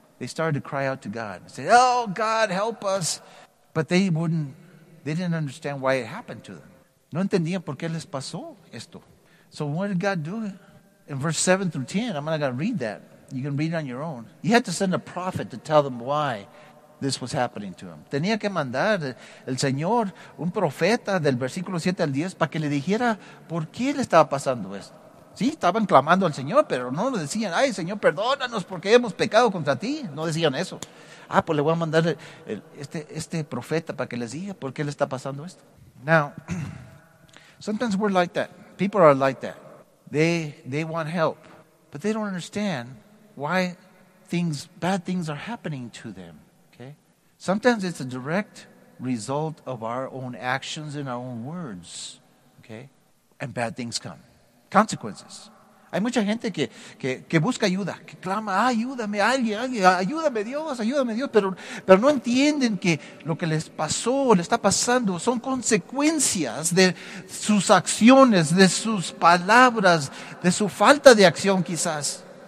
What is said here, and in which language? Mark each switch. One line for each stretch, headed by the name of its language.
English: They started to cry out to God and say, "Oh God, help us!" But they wouldn't. They didn't understand why it happened to them.
Spanish: No entendían por qué les pasó esto.
English: So what did God do? In verse 7 through 10, I'm not going to read that. You can read it on your own. He had to send a prophet to tell them why this was happening to him.
Spanish: Tenía que mandar el Señor un profeta del versículo 7 al 10 para que le dijera por qué le estaba pasando esto. Sí, estaban clamando al Señor, pero no le decían, "Ay, Señor, perdónanos porque hemos pecado contra ti." No decían eso. Ah, pues le voy a mandar este profeta para que les diga por qué le está pasando esto.
English: Now, sometimes we're like that. People are like that. They want help, but they don't understand why bad things are happening to them. Okay? Sometimes it's a direct result of our own actions and our own words. Okay? And bad things come. Consequences.
Spanish: Hay mucha gente que busca ayuda, que clama, ayúdame, alguien, ayúdame Dios, pero no entienden que lo que les pasó, le está pasando, son consecuencias de sus acciones, de sus palabras, de su falta de acción quizás.